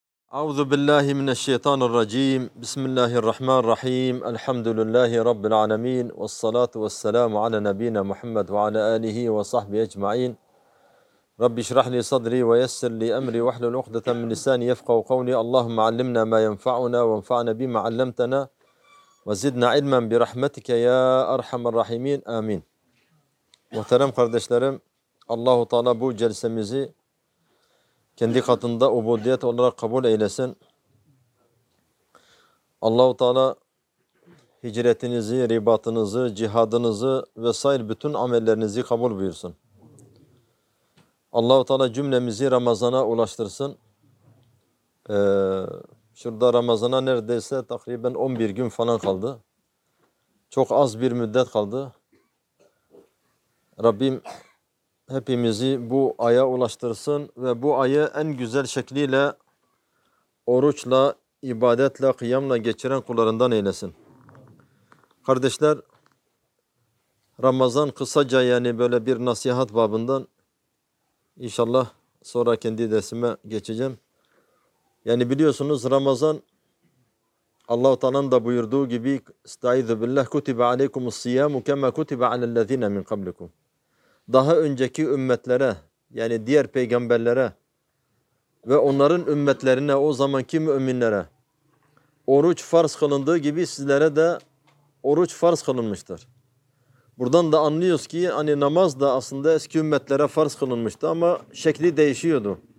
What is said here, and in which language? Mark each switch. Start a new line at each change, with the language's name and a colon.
Arabic: أعوذ بالله من الشيطان الرجيم، بسم الله الرحمن الرحيم، الحمد لله رب العالمين، والصلاة والسلام على نبينا محمد وعلى آله وصحبه أجمعين. ربي اشرح لي صدري ويسر لي أمري واحلل عقدة من لساني يفقه قولي. اللهم علمنا ما ينفعنا وانفعنا بما علمتنا وزدنا علما برحمتك يا أرحم الراحمين، آمين.
Turkish: محترم kardeşlerim، الله تعالى bu celsemizi kendi katında ubudiyet olarak kabul eylesin. Allah-u Teala hicretinizi, ribatınızı, cihadınızı vesaire bütün amellerinizi kabul buyursun. Allah-u Teala cümlemizi Ramazan'a ulaştırsın. Şurada Ramazan'a neredeyse takriben 11 gün falan kaldı. Çok az bir müddet kaldı. Rabbim hepimizi bu aya ulaştırsın ve bu ayı en güzel şekliyle oruçla, ibadetle, kıyamla geçiren kullarından eylesin. Kardeşler, Ramazan kısaca yani böyle bir nasihat babından, inşallah sonra kendi dersime geçeceğim. Yani biliyorsunuz Ramazan, Allah-u Teala'nın da buyurduğu gibi
Arabic: اِسْتَعِذُ بِاللّٰهِ كُتِبَ عَلَيْكُمُ الصِّيَامُ كَمَا كُتِبَ عَلَى الَّذ۪ينَ مِنْ قَبْلِكُمْ.
Turkish: Daha önceki ümmetlere, yani diğer peygamberlere ve onların ümmetlerine, o zamanki müminlere oruç farz kılındığı gibi sizlere de oruç farz kılınmıştır. Buradan da anlıyoruz ki hani namaz da aslında eski ümmetlere farz kılınmıştı ama şekli değişiyordu.